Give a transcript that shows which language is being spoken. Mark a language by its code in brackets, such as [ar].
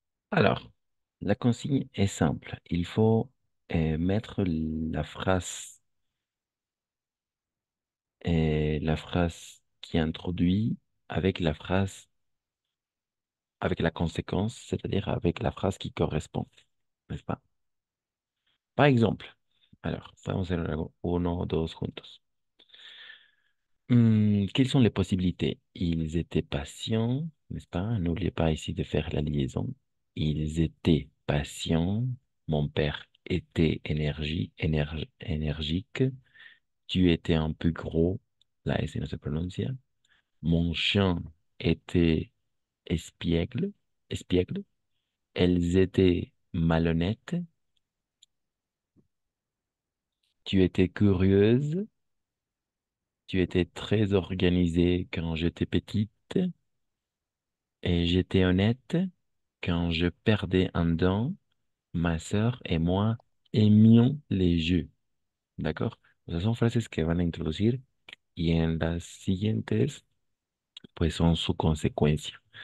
[fr] Alors, la consigne est simple. Il faut mettre la phrase qui introduit avec la phrase, avec la conséquence, c'est-à-dire avec la phrase qui correspond, n'est-ce pas? Par exemple, alors, [es] vamos a hacer uno o dos juntos. [fr] Quelles sont les possibilités? Ils étaient patients, n'est-ce pas? N'oubliez pas ici de faire la liaison. Ils étaient patients, mon père était énergique, tu étais un peu gros, là, ici, on se prononce, mon chien était espiègle, elles étaient malhonnêtes, tu étais curieuse, tu étais très organisée quand j'étais petite, et j'étais honnête. Quand je perdais un dent, Ma sœur et moi aimions les jeux. ¿D'accord? [es] O sea, son frases que van a introducir y en las siguientes, pues son su consecuencia.